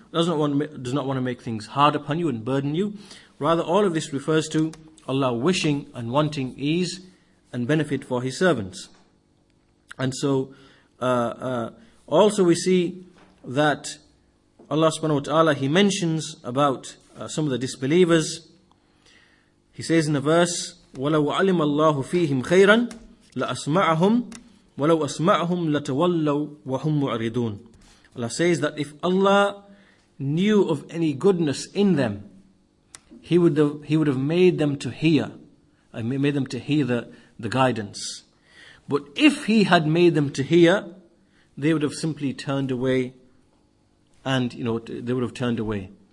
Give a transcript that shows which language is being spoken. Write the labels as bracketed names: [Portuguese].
[English] Does not want to make things hard upon you and burden you. Rather, all of this refers to Allah wishing and wanting ease and benefit for His servants. And so, also we see that Allah subhanahu wa ta'ala, He mentions about some of the disbelievers. He says in the verse, [Arabic] وَلَوْ عَلِمَ اللَّهُ فِيهِمْ خَيْرًا لَأَسْمَعَهُمْ وَلَوْ أَسْمَعَهُمْ لَتَوَلَّوْا وَهُمْ مُعْرِضُونَ. [English] Allah says that if Allah knew of any goodness in them, He would have made them to hear, and made them to hear the guidance. But if He had made them to hear, they would have simply turned away, and you know, they would have turned away.